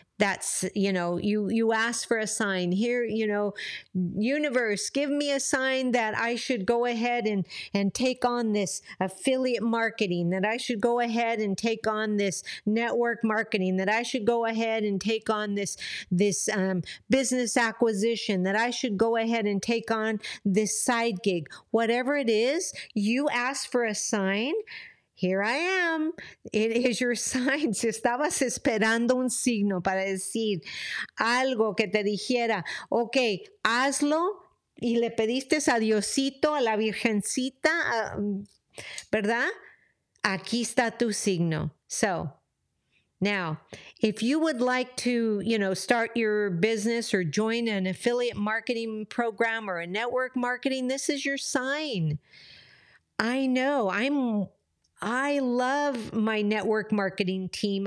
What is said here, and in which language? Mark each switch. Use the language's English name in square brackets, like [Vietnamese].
[English] That's, you know, you ask for a sign here, you know, universe, give me a sign that I should go ahead and take on this affiliate marketing, that I should go ahead and take on this network marketing, that I should go ahead and take on this business acquisition, that I should go ahead and take on this side gig. Whatever it is, you ask for a sign. Here I am. It is your sign. [Spanish] Si estabas esperando un signo para decir algo que te dijera, ok, hazlo, y le pediste a Diosito, a la Virgencita, ¿verdad? Aquí está tu signo. [English] So, now, if you would like to, you know, start your business or join an affiliate marketing program or a network marketing, this is your sign. I know, I love my network marketing team.